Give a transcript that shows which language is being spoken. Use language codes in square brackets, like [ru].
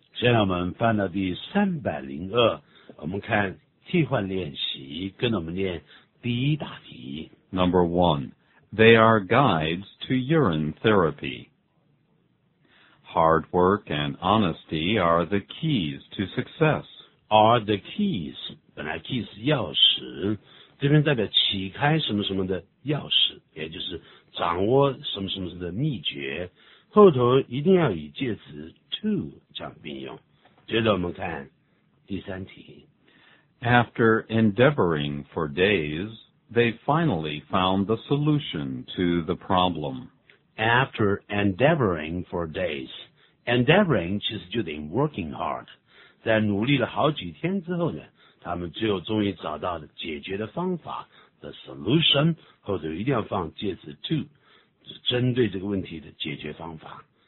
[zh] 现在我们翻到第302，我们看替换练习，跟我们念第一大题。 [en] Number one, they are guides to urine therapy. Hard work and honesty are the keys to success. Are the keys. [zh] 本来 key 是钥匙，这边代表启开什么什么的钥匙，也就是掌握什么什么的秘诀，后头一定要以介词 to 这样并用。接着我们看第三题。 [en] After endeavoring for days, they finally found the solution to the problem. After endeavoring for days, endeavoring [zh] 其实就等于 [en] working hard， [zh] 在努力了好几天之后呢，他们最后终于找到了解决的方法 [en] the solution， [zh] 后头一定要放介词 to， 针对这个问题的解决方法。